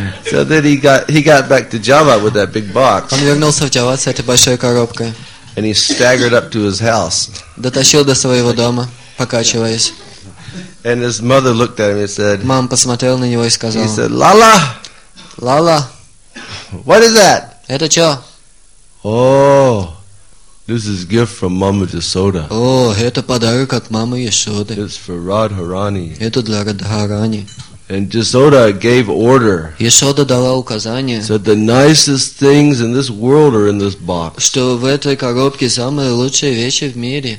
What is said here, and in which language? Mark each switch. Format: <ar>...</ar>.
<en>So then he got back to Java with that big box.</en> <ru>Он вернулся в Java с этой большой коробкой.</ru> <en>And he staggered up to his house.</en> <ru>Дотащил до своего дома, покачиваясь.</ru> <en>And his mother looked at him and said.</en> <ru>Мама посмотрела на него и сказала.</ru> <en>He said, "Lala,</en> <ru>Lala,</ru> <en>what is that?"</en> <ru>Это что?</ru> <en>Oh. This is gift from Mama Yashoda.</en> <ru>Oh, это подарок от мамы Яшоды.</ru> <en>It's for Radharani.</en> <ru>Это для Радхарани.</ru> <en>And Yashoda gave order.</en> <ru>Яшода дала указание.</ru> <en>Said the nicest things in this world are in this box.</en> <ru>Что в этой коробке самые лучшие вещи в мире.</ru>